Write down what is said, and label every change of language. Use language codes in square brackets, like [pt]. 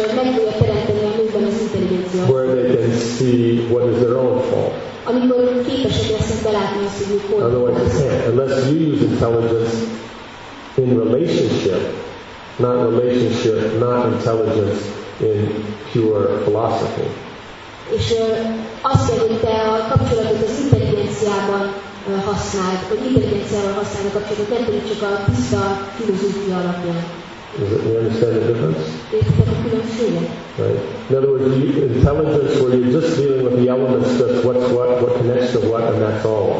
[en] Where they can see what is their own fault. Otherwise they can't. Unless you use intelligence in relationship, not relationship, not intelligence in pure philosophy. [hu] És azt kell, hogy te a kapcsolatot az intelligenciában használd, hogy intelligenciával használd a kapcsolatot, nem pedig csak a tiszta filozófia alapján. [en] Is it, you understand the difference? Right. In other words, you, intelligence where you're just dealing with the elements, just what's what connects to what, and that's all.